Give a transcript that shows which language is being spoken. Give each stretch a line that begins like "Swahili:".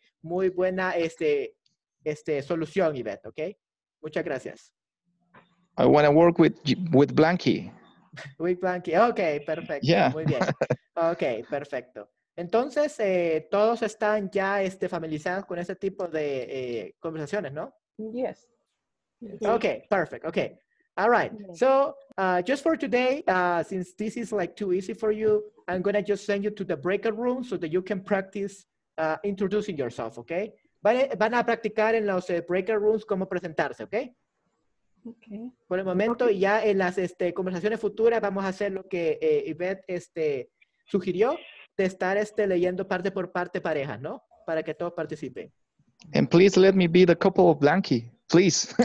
Spanish: Muy buena solución, Yvette, ¿ok? Muchas gracias.
English: I want to work with Blankie.
Spanish: With Blankie, ok, perfecto.
English: Yeah.
Spanish: Muy bien. Ok, perfecto. Entonces, todos están ya familiarizados con ese tipo de conversaciones, ¿no?
English: Yes. Ok, perfect, ok. All right, so just for today, since this is like too easy for you, I'm going to just send you to the breakout room so that you can practice introducing yourself, okay?
Spanish: Van a practicar en los breakout rooms cómo presentarse, okay?
English: Okay.
Spanish: Por el momento, okay. Y ya en las conversaciones futuras vamos a hacer lo que Yvette sugirió, de estar leyendo parte por parte pareja, ¿no? Para que todos participen.
English: And please let me be the couple of Blankie. Please.